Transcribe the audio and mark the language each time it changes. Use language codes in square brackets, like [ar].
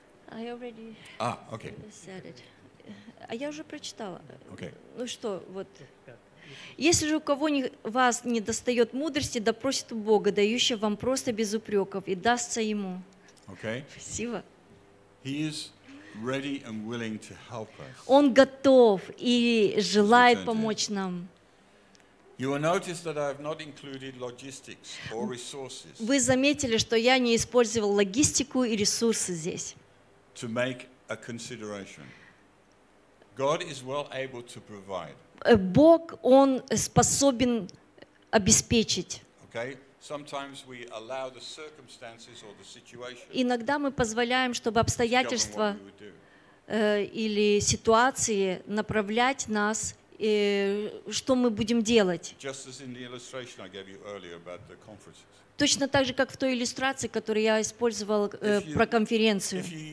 [en] I already. Ah, okay. Said it. [ru] А я уже прочитала. [en] Okay. [ru] Ну что, вот. Если же у кого вас не достает мудрости, да просит у Бога, дающего вам просто без упреков, и дастся ему. [en] Okay. [ru] Спасибо. [en] He is ready and willing to help us. [ru] Он готов и желает помочь нам. [en] You will notice that I have not included logistics or resources. [ru] Вы заметили, что я не использовал логистику и ресурсы здесь. [en] To make a consideration. God is well able to provide. [ru] Бог, Он способен обеспечить. [en] Okay. Sometimes we allow the circumstances or the situation. [ru] Иногда мы позволяем, чтобы обстоятельства или ситуации направлять нас, что мы будем делать. [en] Just as in the illustration I gave you earlier about the conferences. [ru] Точно так же, как в той иллюстрации, которую я использовал про конференцию.